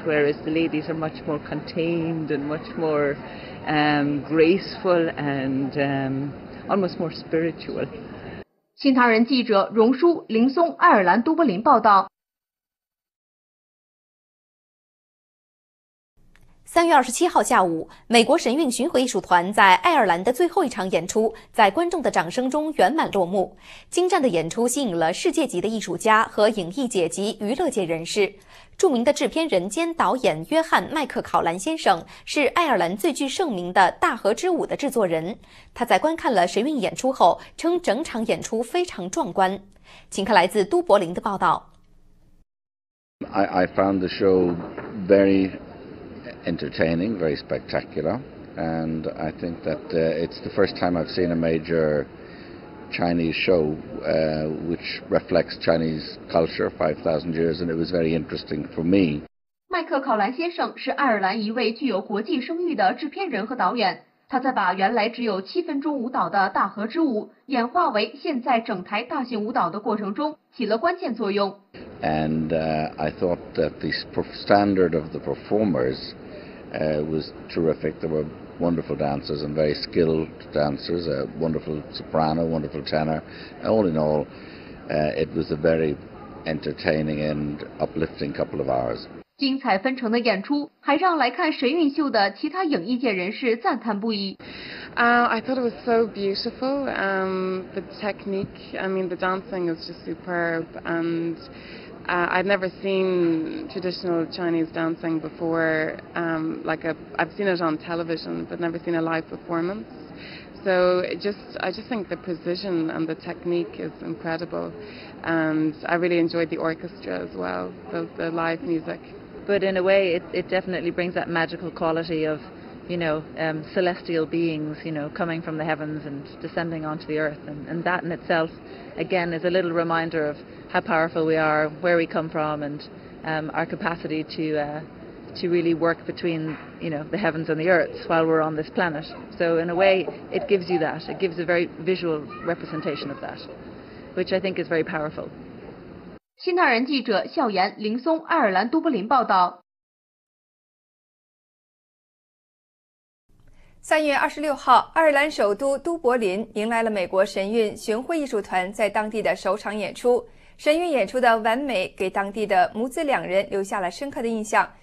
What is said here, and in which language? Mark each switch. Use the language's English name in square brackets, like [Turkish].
[English] Whereas the ladies are much more contained and much more. Graceful and almost more spiritual. [Chinese] 新唐人记者荣舒、林松，爱尔兰都柏林报道。 3月27号下午，美国神韵巡回艺术团在爱尔兰的最后一场演出，在观众的掌声中圆满落幕。精湛的演出吸引了世界级的艺术家和影艺界及娱乐界人士。著名的制片人兼导演约翰·麦克考兰先生是爱尔兰最具盛名的《大河之舞》的制作人。他在观看了神韵演出后，称整场演出非常壮观。请看来自都柏林的报道。 [English] I found the show very entertaining, very spectacular, and I think that it's the first time I've seen a major Chinese show which reflects Chinese culture 5,000 years, and it was very interesting for me. [Chinese] 麦克考兰先生是爱尔兰一位具有国际声誉的制片人和导演，他在把原来只有七分钟舞蹈的《大河之舞》演化为现在整台大型舞蹈的过程中起了关键作用。 [English] And I thought that the standard of the performers was terrific. There were wonderful dancers and very skilled dancers, a wonderful soprano, wonderful tenor. All in all, it was a very entertaining and uplifting couple of hours. [Chinese] 精彩纷呈的演出还让来看神韵秀的其他影艺界人士赞叹不已。 [English] I thought it was so beautiful. The technique, I mean, the dancing is just superb. And I've never seen traditional Chinese dancing before. I've seen it on television, but never seen a live performance. So I just think the precision and the technique is incredible. And I really enjoyed the orchestra as well, the live music. But in a way, it definitely brings that magical quality of, you know, celestial beings, you know, coming from the heavens and descending onto the earth. And that in itself, again, is a little reminder of how powerful we are, where we come from, and our capacity to really work between, you know, the heavens and the earth while we're on this planet. So in a way, it gives you that. It gives a very visual representation of that, which I think is very powerful. [Chinese] 新唐人记者笑颜、林松，爱尔兰都柏林报道。 3月26号，爱尔兰首都都柏林迎来了美国神韵巡回艺术团在当地的首场演出。神韵演出的完美给当地的母子两人留下了深刻的印象。